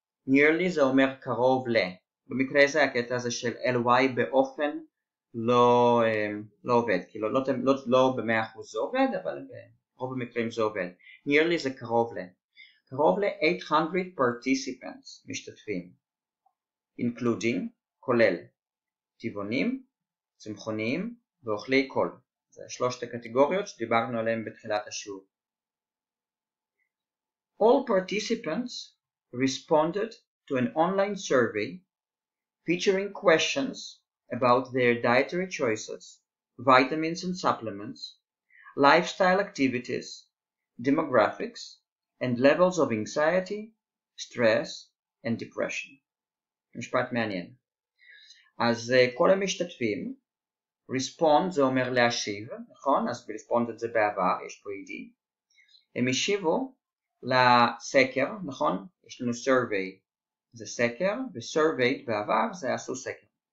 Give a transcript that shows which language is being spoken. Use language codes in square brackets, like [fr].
[he] Nearly זה אומר קרוב ל. במקרה זה הקטע הזה של ly באופן לא עובד, כאילו לא ב-100% זה עובד, אבל ברוב המקרים זה עובד. Nearly זה קרוב ל. קרוב ל-800 participants משתתפים, including, כולל, טבעונים, צמחונים ואוכלי כל. שלושת הקטגוריות שדיברנו עליהן בתחילת השיעור. [en] All participants responded to an online survey featuring questions about their dietary choices, vitamins and supplements, lifestyle activities, demographics, and levels of anxiety, stress, and depression. [he] משפט מעניין. אז כל המשתתפים, respond זה אומר להשיב, נכון? אז ב-respond את זה בעבר, יש פה ED. הם השיבו לסקר, נכון? יש לנו survey, זה סקר, ו-surveyed בעבר זה עשו סקר.